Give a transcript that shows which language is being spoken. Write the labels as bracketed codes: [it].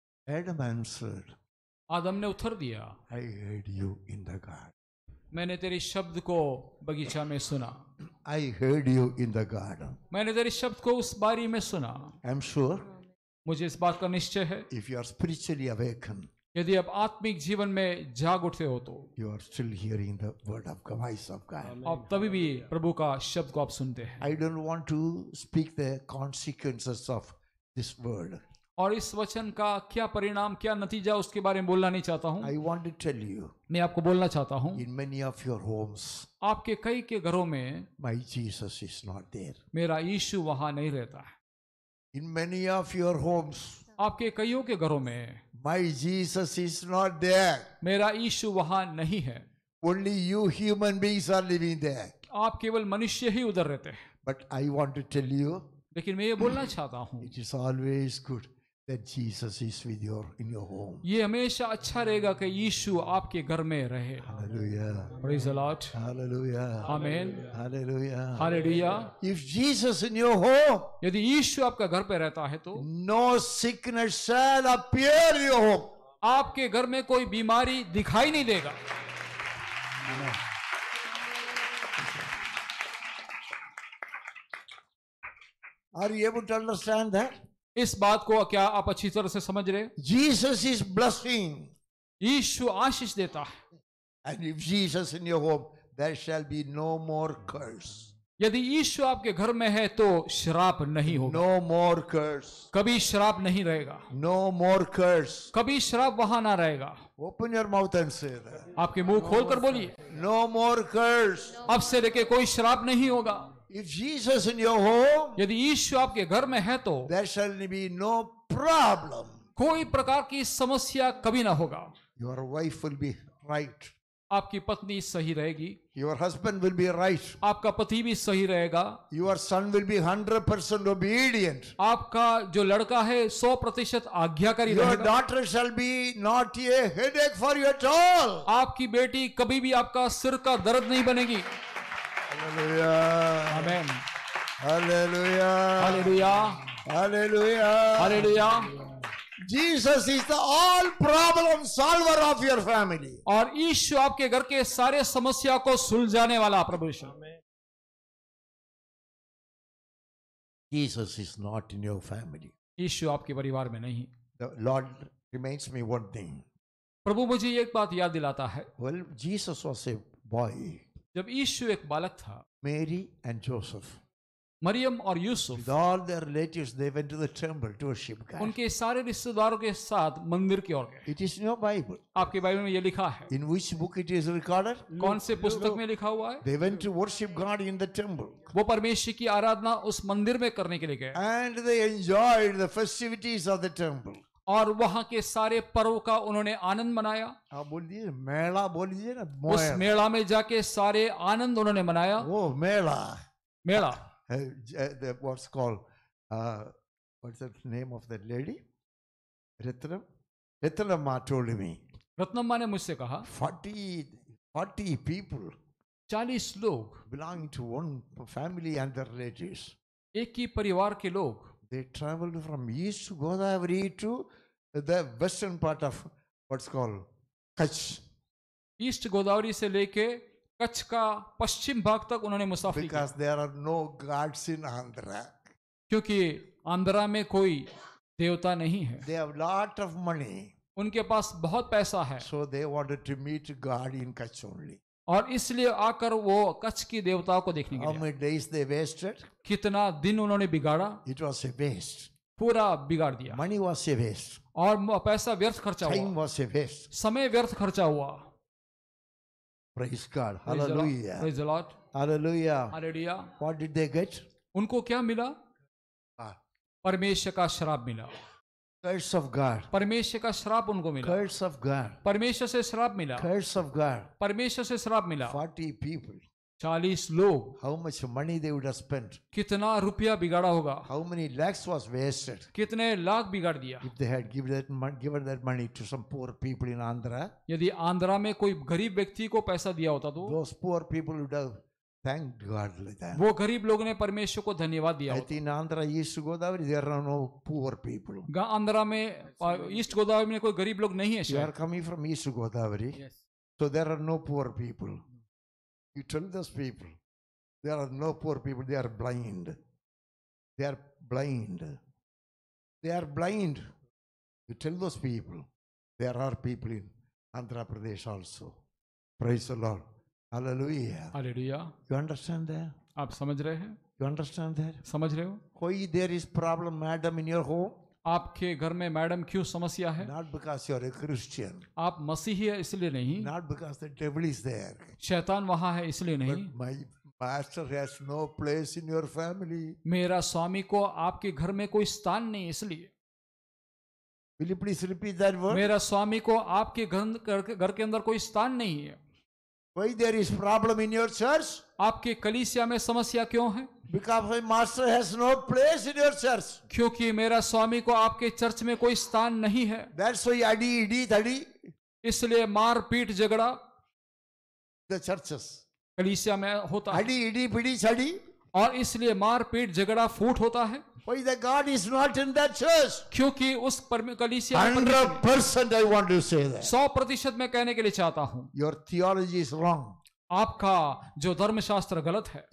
[en] Adam answered. [hi] Adam ne uttar diya. [en] I heard you in the garden. [hi] Maine tere shabd ko bagicha mein suna. [en] I heard you in the garden. [hi] Maine tere shabd ko us bari mein suna. [en] I'm sure. [hi] Mujhe is baat ka nischay hai. [en] If you are spiritually awakened. [hi] यदि आप आत्मिक जीवन में जाग उठते हो तो [en] you are still hearing the word of God of God [hi] आप तभी भी प्रभु का शब्द को आप सुनते हैं. [en] I don't want to speak the consequences of this word [hi] और इस वचन का क्या परिणाम क्या नतीजा उसके बारे में बोलना नहीं चाहता हूँ. [en] I want to tell you [hi] मैं आपको बोलना चाहता हूँ. [en] in many of your homes [hi] आपके कई के घरों में [en] my Jesus is not there [hi] मेरा यीशु वहां नहीं रहता है. [en] in many of your homes [hi] आपके कईयों के घरों में [en] My Jesus is not there. [hi] मेरा यीशु वहाँ नहीं है. [en] Only you human beings are living there. [hi] आप केवल मनुष्य ही उधर रहते हैं. [en] But I want to tell you. [hi] लेकिन मैं ये बोलना चाहता हूँ. [en] It is always good that Jesus is with your in your home. [hi] ये हमेशा अच्छा रहेगा कि यीशु आपके घर में रहे. [en] Hallelujah. Praise the Lord. Hallelujah. Amen. Hallelujah. Hallelujah. If Jesus in your home. [hi] यदि यीशु आपका घर पे रहता है तो [en] no sickness shall appear in your home. [hi] आपके घर में कोई बीमारी दिखाई नहीं देगा. [en] Are you able to understand that? [hi] इस बात को क्या आप अच्छी तरह से समझ रहे? [en] Jesus is blessing. [hi] यीशु आशीष देता है. [en] And if Jesus in your home, there shall be no more curse. [hi] यदि यीशु आपके घर में है तो श्राप नहीं होगा. [en] No more curse. [hi] कभी श्राप नहीं रहेगा. [en] No more curse. [hi] कभी श्राप वहां ना रहेगा. [en] Open your mouth and say that. [hi] आपके मुंह खोलकर बोलिए. [en] No more curse. [hi] अब से लेके कोई श्राप नहीं होगा. [en] If Jesus in your home, [hi] यदि यीशु आपके घर में है तो [en] there shall be no problem. [hi] कोई प्रकार की समस्या कभी ना होगा. [en] Your wife will be right. [hi] आपकी पत्नी सही रहेगी. [en] Your husband will be right. [hi] आपका पति भी सही रहेगा. [en] Your son will be 100% obedient. [hi] आपका जो लड़का है 100% आज्ञाकारी रहेगा. [en] Your daughter shall be not a headache for you at all. [hi] आपकी बेटी कभी भी आपका सिर का दर्द नहीं बनेगी. [en] Hallelujah. Amen. Hallelujah. Hallelujah. Hallelujah. Hallelujah. Jesus is the all problem solver of your family. [hi] और यीशु आपके घर के सारे समस्या को सुलझाने वाला प्रभु यीशु. [en] Jesus is not in your family. [hi] यीशु आपके परिवार में नहीं. [en] The Lord reminds me one thing. [hi] प्रभु मुझे एक बात याद दिलाता है. [en] Well, Jesus was a boy. [hi] जब यीशु एक बालक था. [en] Mary and Joseph [hi] मरियम और Yusuf [en] With all their relatives they went to the temple to worship God. [hi] उनके सारे रिश्तेदारों के साथ मंदिर की ओर गए. [en] It is in your Bible. [hi] आपके बाइबल में ये लिखा है. [en] In which book it is recorded. [hi] कौन से पुस्तक में लिखा हुआ है? [en] They went to worship God in the temple. [hi] वो परमेश्वर की आराधना उस मंदिर में करने के लिए गए. [en] And they enjoyed the festivities of the temple. [hi] और वहां के सारे पर्व का उन्होंने आनंद मनाया. आप बोलिए मेला बोलिए ना. उस मेला में जाके सारे आनंद उन्होंने मनाया. वो मेला मेला [en] What's called what's the name of that lady Ratnam Ratnamma told me. [hi] Ratnamma ने मुझसे कहा [en] 40 people [hi] 40 लोग [en] belonging to one family and their relatives [hi] एक ही परिवार के लोग. [en] They traveled from East Godavari to the western part of what's called Kutch. [hi] East Godavari से लेके कच्छ का पश्चिम भाग तक उन्होंने मुसाफिरी [en] की। Because there are no gods in Andhra. [hi] क्योंकि आंध्रा में कोई देवता नहीं है। [en] They have lot of money. [hi] उनके पास बहुत पैसा है। [en] So they wanted to meet God in Kutch only. [hi] और इसलिए आकर वो कच्छ की देवताओं को देखने [en] गए। How many days they wasted? [hi] कितना दिन उन्होंने बिगाड़ा? [en] It was a waste. [hi] पूरा बिगाड़ दिया। [en] Money was a waste. [hi] और पैसा व्यर्थ खर्चा हुआ। [en] Time was a waste. [hi] समय व्यर्थ खर्चा हुआ। [en] Praise God. Hallelujah. Praise the Lord. Hallelujah. Hallelujah. What did they get? [hi] उनको क्या मिला? परमेश्वर का श्राप मिला। [en] Curse of God. [hi] परमेश्वर का श्राप उनको मिला। [en] Curse of God. [hi] परमेश्वर से श्राप मिला। [en] Curse of God. [hi] परमेश्वर से श्राप मिला। [en] 40 people. [hi] 40 लोग। [en] How much money they would have spent? [hi] कितना रुपया बिगाड़ा होगा? [en] How many lakhs was wasted? [hi] कितने लाख बिगाड़ दिया? [en] If they had given that money to some poor people in Andhra, [hi] यदि आंध्रा में कोई गरीब व्यक्ति को पैसा दिया होता तो, [en] those poor people would have thanked God like that. [hi] वो गरीब लोगों ने परमेश्वर को धन्यवाद दिया। [en] I think in Andhra East Godavari there are no poor people. [hi] Andhra में ईस्ट गोदावरी में कोई गरीब लोग नहीं है। [en] You are coming from East Godavari, yes. So there are no poor people. You tell those people, there are no poor people. They are blind. They are blind. They are blind. You tell those people, there are people in Andhra Pradesh also. Praise the Lord. Hallelujah. Hallelujah. You understand that? [hi] आप समझ रहे हैं? [en] You understand that? [hi] समझ रहे हो? [en] Why there is problem, madam, in your home? [hi] आपके घर में मैडम क्यों समस्या है? [en] Not because you are a Christian. [hi] आप मसीही है इसलिए नहीं। [en] Not because the devil is there. [hi] शैतान वहाँ है इसलिए नहीं। [en] But my master has no place in your family. [hi] मेरा स्वामी को आपके घर में कोई स्थान नहीं इसलिए। [en] Will you please repeat that word? [hi] मेरा स्वामी को आपके घर के अंदर कोई स्थान नहीं है। [en] Why there is problem in your church? [hi] आपके कलीसिया में समस्या क्यों है? [en] Because my master has no place in your church. [hi] क्योंकि मेरा स्वामी को आपके चर्च में कोई स्थान नहीं है। [en] That's why अड़ी [hi] इसलिए मार पीट झगड़ा [en] the churches. [hi] कलीसिया में होता है। [te] अड़ी पीड़ी छड़ी [hi] और इसलिए मार पीट झगड़ा फूट होता है। [en] Why the God is not in that church? [hi] क्योंकि उस कलीसिया [en] 100% I want to say that. [hi] 100% मैं कहने के लिए चाहता हूँ। [en] Your theology is wrong. [hi] आपका जो धर्मशास्त्र गलत है।